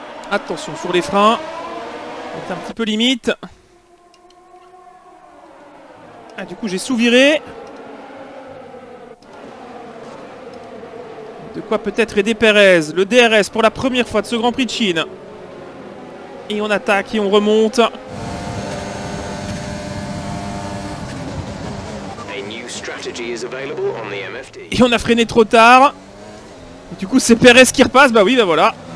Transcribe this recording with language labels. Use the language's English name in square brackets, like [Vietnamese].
[French] Attention sur les freins. C'est un petit peu limite. Ah, du coup, j'ai sous-viré. De quoi peut-être aider Perez. Le DRS pour la première fois de ce Grand Prix de Chine. Et on attaque et on remonte. [English] A new strategy is available on the MFD. [French] Et on a freiné trop tard. Et du coup, c'est Perez qui repasse. Bah oui, bah voilà.